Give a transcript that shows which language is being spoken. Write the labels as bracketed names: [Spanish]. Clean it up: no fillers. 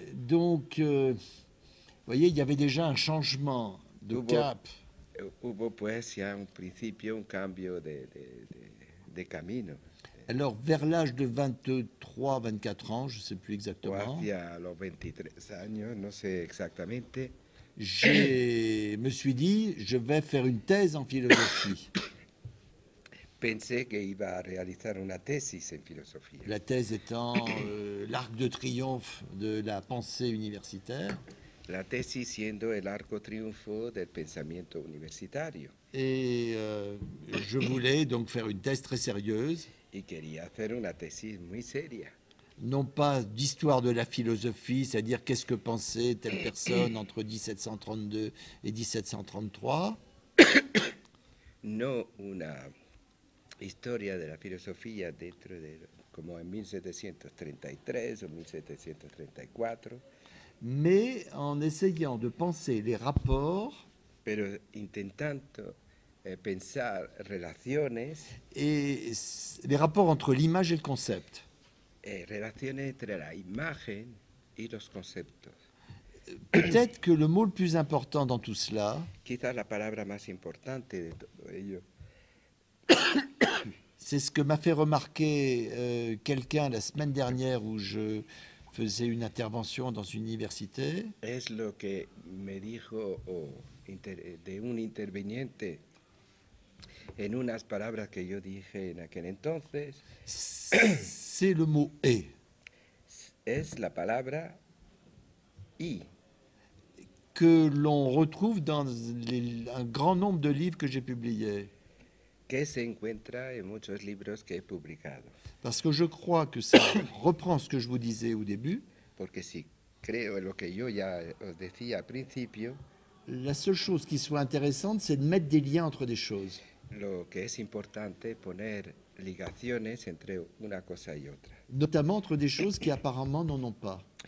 [French] Vous voyez, il y avait déjà un changement de cap. [Spanish] Hubo pues ya un principio, un cambio de camino. [French] Alors, vers l'âge de 23, 24 ans, je ne sais plus exactement. [Spanish] Ou hacia los 23 años, no sé exactamente. [French] Je me suis dit, je vais faire une thèse en philosophie. [Spanish] Pensé que iba a realizar una tesis en filosofía. [French] La thèse étant l'arc de triomphe de la pensée universitaire. [Spanish] La tesis siendo el arco triunfo del pensamiento universitario. [French] Et je voulais donc faire une thèse très sérieuse. [Spanish] Y quería hacer una tesis muy seria. [French] Non pas d'histoire de la philosophie, c'est-à-dire qu'est-ce que pensait telle personne entre 1732 et 1733. [Spanish] No una historia de la filosofía dentro de como en 1733 o 1734. [French] mais en essayant de penser les rapports. [Spanish] Pero intentando pensar relaciones. [French] Et les rapports entre l'image et le concept. [Spanish] Et relaciones entre la imagen y los conceptos. [French] Peut-être que le mot le plus important dans tout cela. [Spanish] Quizás la palabra más importante de todo ello. [French] C'est ce que m'a fait remarquer quelqu'un la semaine dernière où je faisais une intervention dans une université. [Spanish] Es lo que me dijo de un interveniente en unas palabras que yo dije en aquel entonces. [French] C'est le mot et. [Spanish] Es la palabra y. [French] Que l'on retrouve dans un grand nombre de livres que j'ai publiés. [Spanish] Que se encuentra en muchos libros que he publicado. [French] Parce que je crois que ça reprend ce que je vous disais au début. [Spanish] Porque si creo lo que yo ya os decía al principio. [French] La seule chose qui soit intéressante, c'est de mettre des liens entre des choses. [Spanish] Lo que es importante poner ligaciones entre una cosa y otra. [French] Notamment entre des choses qui apparemment n'en ont pas.